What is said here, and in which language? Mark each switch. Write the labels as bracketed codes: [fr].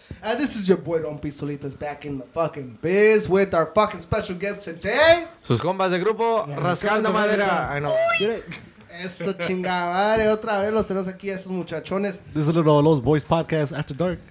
[en] And this is your boy Don Pistolitas back in the fucking biz with our fucking special guest today. [es] Sus compas de grupo, Rascando Madera. [en] I know. [es] Eso chingadare, otra vez los tenemos aquí a esos muchachones. [en] This is a little Los Boys Podcast After Dark,